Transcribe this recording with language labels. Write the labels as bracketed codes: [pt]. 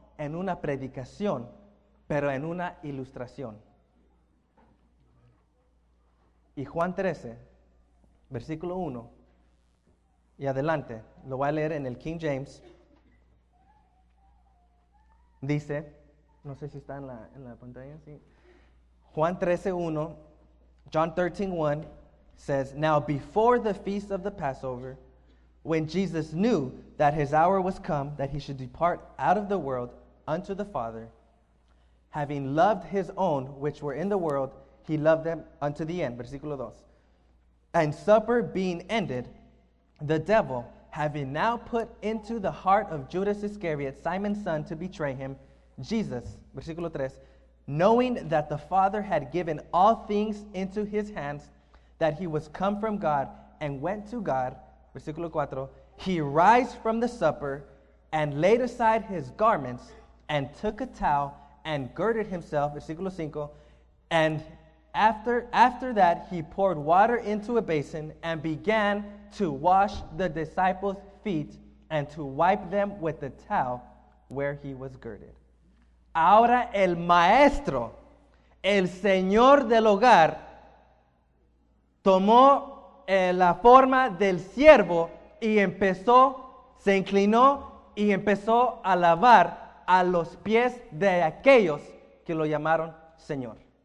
[es] en una predicación, pero en una ilustración. Y Juan 13, versículo 1 y adelante, lo voy a leer en el King James. Dice, no sé si está en la pantalla, sí. [en] Juan 13, 1, John 13, 1, says, "Now before the feast of the Passover, when Jesus knew that his hour was come, that he should depart out of the world unto the Father, having loved his own which were in the world, he loved them unto the end." [es] Versículo 2. [en] "And supper being ended, the devil, having now put into the heart of Judas Iscariot, Simon's son, to betray him, Jesus," [es] versículo 3, [en] "knowing that the Father had given all things into his hands, that he was come from God and went to God," [es] versículo 4, [en] "he rise from the supper and laid aside his garments and took a towel and girded himself," [es] versículo 5, [en] "and after that he poured water into a basin and began to wash the disciples' feet and to wipe them with the towel where he was girded." [es] Ahora el maestro, el señor del hogar, tomó la forma del siervo y empezó, se inclinó y empezó a lavar a los pies de aquellos que lo llamaron Señor.